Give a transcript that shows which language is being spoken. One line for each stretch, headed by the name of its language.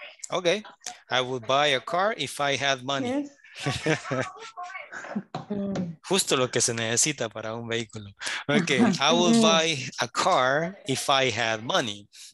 English: Okay, I would buy a car if I had money. Yes.
Spanish: Justo lo que se necesita para un vehículo.
English: Okay, I would buy a car if I had money.